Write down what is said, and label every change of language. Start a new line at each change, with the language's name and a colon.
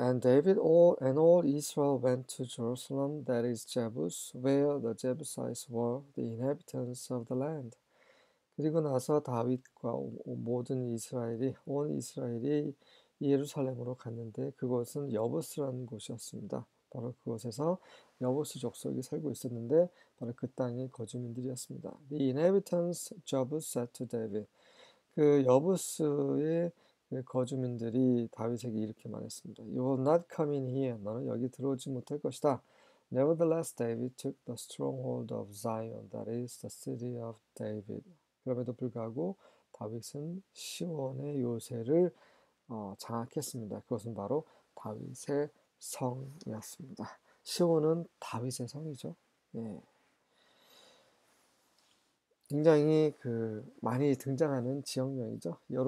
English: And David all and all Israel went to Jerusalem, that is Jebus, where the Jebusites were the inhabitants of the land.
Korean: 그리고 나서 다윗과 모든 이스라엘이 온 이스라엘이 예루살렘으로 갔는데 그곳은 여부스라는 곳이었습니다. 바로 그곳에서 여부스 족속이 살고 있었는데 바로 그 땅의 거주민들이었습니다.
English: The inhabitants Jebus said to David,
Korean: 그 여부스의 거주민들이 다윗에게 이렇게 말했습니다.
English: You will not come in here.
Korean: 너는 여기 들어오지 못할 것이다.
English: Nevertheless, David took the stronghold of Zion, that is the city of David.
Korean: 그럼에도 불구하고 다윗은 시온의 요새를 장악했습니다. 그것은 바로 다윗의 성이었습니다. 시온은 다윗의 성이죠. 예. 굉장히 많이 등장하는 지역명이죠.